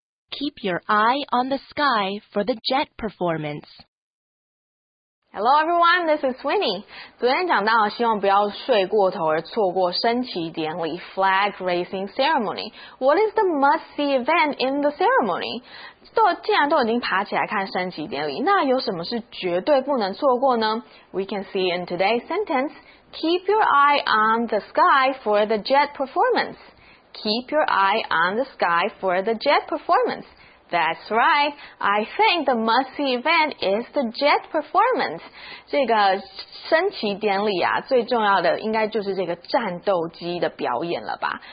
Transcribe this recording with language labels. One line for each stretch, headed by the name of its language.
English: Keep your eye on the sky for the jet performance. Hello everyone, this is Winnie.
Chinese: 昨天讲到希望不要睡过头而错过升旗典礼 Flag Raising Ceremony.
English: What is the must-see event in the ceremony?
Chinese: 既然都已经爬起来看升旗典礼，那有什么是绝对不能错过呢？
English: We can see in today's sentence, keep your eye on the sky for the jet performance. Keep your eye on the sky for the jet performance. That's right. I think the must-see event is the jet performance.
Chinese: 这个升旗典礼啊，最重要的应该就是这个战斗机的表演了吧。